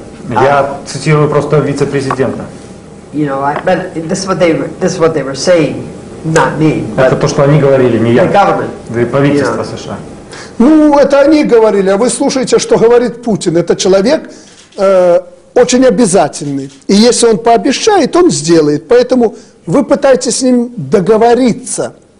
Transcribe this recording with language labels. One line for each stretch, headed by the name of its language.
Russian: Я цитирую просто вице-президента.
English: You know, but this is what they were saying, not me.
Russian: Это то, что они говорили, не я.
English: The government.
Russian: Да и правительство США. Ну, это они говорили, а вы слушаете, что говорит Путин. Это человек очень обязательный. И если он пообещает, он сделает. Поэтому вы пытаетесь с ним договориться.